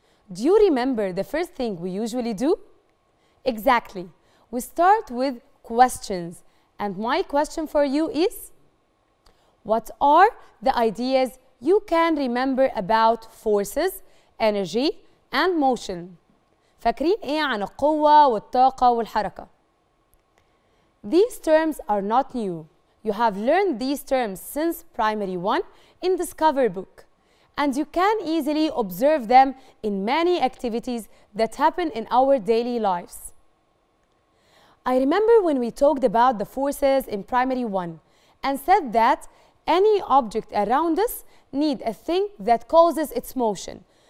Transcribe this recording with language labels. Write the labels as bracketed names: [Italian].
[English] Do you remember the first thing we usually do? Exactly. We start with questions. And my question for you is, what are the ideas you can remember about forces, energy, and motion? [Arabic] فاكرين ايه عن القوة والطاقة والحركة؟ These terms are not new. [English] You have learned these terms since primary 1 in Discover book. And you can easily observe them in many activities that happen in our daily lives. I remember when we talked about the forces in primary 1 and said that any object around us need a thing that causes its motion.